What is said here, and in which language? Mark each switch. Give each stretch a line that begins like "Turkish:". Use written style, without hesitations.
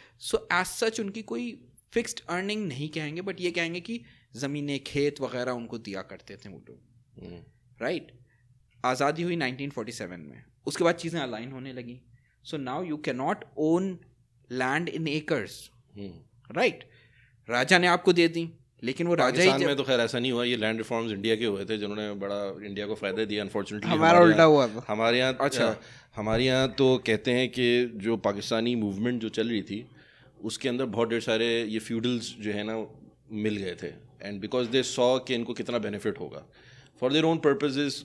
English: so as such
Urdu: ان کی کوئی fixed earning نہیں کہیں گے, بٹ یہ کہیں گے کہ زمینیں کھیت وغیرہ ان کو دیا کرتے تھے وہ لوگ, رائٹ. آزادی ہوئی 1947 میں, اس کے بعد چیزیں الائن ہونے لگیں.
English: So now you کی not own land in acres, right.
Urdu: راجا نے آپ کو دے دی لیکن وہ راجا ہی میں تو خیر ایسا نہیں ہوا, یہ لینڈ ریفارمز انڈیا کے ہوئے تھے جنہوں نے بڑا انڈیا کو فائدہ دیا.
English: unfortunately
Urdu: ہمارا الٹا ہوا تھا. ہمارے یہاں اچھا ہمارے یہاں تو کہتے ہیں کہ جو پاکستانی موومنٹ جو چل رہی تھی اس کے اندر بہت ڈھیر سارے یہ فیوڈلز جو ہے نا مل گئے تھے,
English: And because they saw کہ ان کو کتنا بینیفٹ ہوگا فار دیئر اون پرپزز.